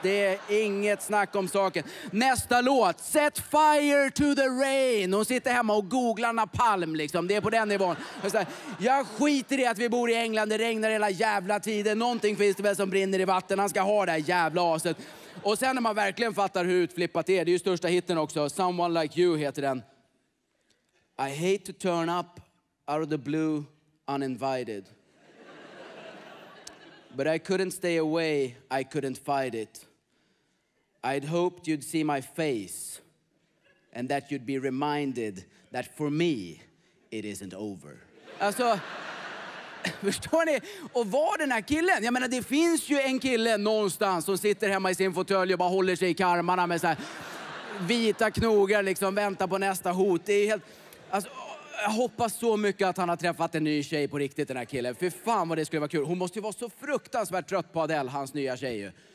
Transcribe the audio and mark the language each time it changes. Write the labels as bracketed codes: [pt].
[sv] Det är inget snack om saken. Nästa låt. Set fire to the rain. Hon sitter hemma och googlar napalm liksom. Det är på den nivån. Jag skiter i att vi bor i England. Det regnar hela jävla tiden. Någonting finns det väl som brinner i vatten. Han ska ha det här jävla aset. Och sen när man verkligen fattar hur utflippat det är. Det är ju största hitten också. Someone like you heter den. [en] I hate to turn up out of the blue. Uninvited. But I couldn't stay away. I couldn't fight it. I'd hoped you'd see my face and that you'd be reminded that for me, it isn't over. [sv] Alltså, förstår ni? Och var den här killen? Jag menar, det finns ju en kille någonstans som sitter hemma i sin fåtölj och bara håller sig i karmarna med så här vita knogar, liksom väntar på nästa hot. Det är helt... Alltså, jag hoppas så mycket att han har träffat en ny tjej på riktigt, den här killen. Fy fan vad det skulle vara kul. Hon måste ju vara så fruktansvärt trött på Adele, hans nya tjej ju.